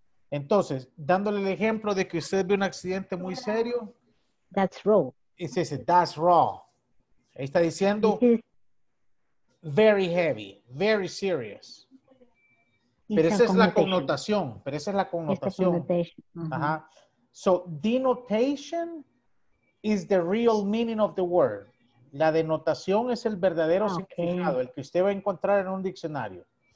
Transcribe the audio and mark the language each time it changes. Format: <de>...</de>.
<es>Entonces, dándole el ejemplo de que usted ve un accidente muy serio.</es> <en>That's raw.</en> <es>Es ese,</es> <en>that's raw.</en> <es>Está diciendo,</es> <en>very heavy, very serious.</en> <es>Pero esa es la connotación, pero esa es la connotación. Ajá.</es> <en>So, denotation is the real meaning of the word.</en> <es>La denotación es el verdadero significado, el que usted va a encontrar en un diccionario.</es>